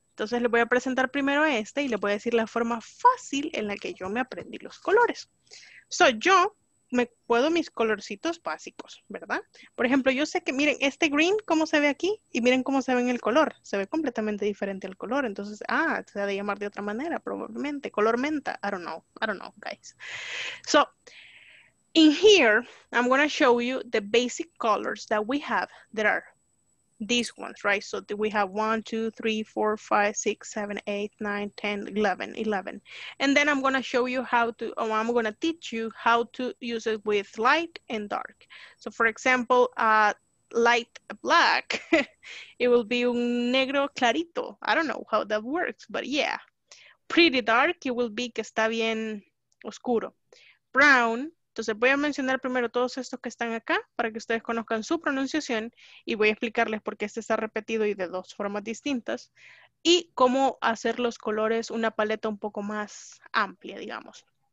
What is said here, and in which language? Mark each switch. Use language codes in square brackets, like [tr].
[es] Entonces les voy a presentar primero a este y les voy a decir la forma fácil en la que yo me aprendí los colores. So, yo me puedo mis colorcitos básicos, ¿verdad? Por ejemplo, yo sé que, miren, este green, ¿cómo se ve aquí? Y miren cómo se ve en el color. Se ve completamente diferente al color. Entonces, se ha de llamar de otra manera, probablemente. [en] Color menta. I don't know, guys. So, in here, I'm going to show you the basic colors that we have that are these ones, right? So, we have 1, 2, 3, 4, 5, 6, 7, 8, 9, 10, 11, 11. And then I'm going to show you how to, I'm going to teach you how to use it with light and dark. So, for example, light black, it will be un negro clarito. I don't know how that works, but yeah. Pretty dark, it will be que está bien oscuro. Brown. [es] Entonces voy a mencionar primero todos estos que están acá para que ustedes conozcan su pronunciación y voy a explicarles por qué este está repetido y de dos formas distintas y cómo hacer los colores una paleta un poco más amplia, digamos.